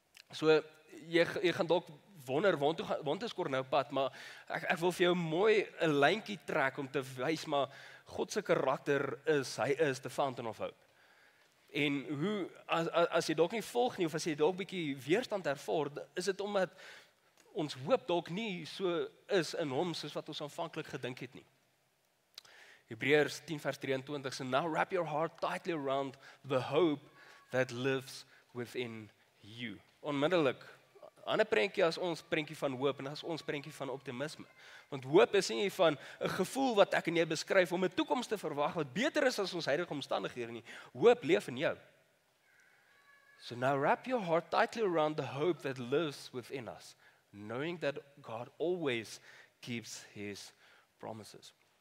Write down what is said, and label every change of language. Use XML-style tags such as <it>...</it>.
<af>So jy gaan dalk wonder want is Corné pad, maar ek wil vir jou mooi 'n lyntjie trek om te wys maar God se karakter is hy is</af> <en>the fountain of hope.</en> <af>En hoe, as jy dalk nie volg nie, of as jy dalk bietjie weerstand ervaar, is dit omdat ons hoop dalk nie so is in hom, soos wat ons aanvanklik gedink het nie.</af> <en>Hebreërs 10 vers 23, so now wrap your heart tightly around the hope that lives within you.</en> <af>Onmiddellik, ander prentjie as ons prentjie van hoop, en as ons prentjie van optimisme. Want hoop is nie van 'n gevoel wat ek en jy beskryf om 'n toekoms te verwag wat beter is as ons huidige omstandighede nie. Hoop leef in jou.</af> <en>So now wrap your heart tightly around the hope that lives within us, knowing that God always keeps his promises.</en>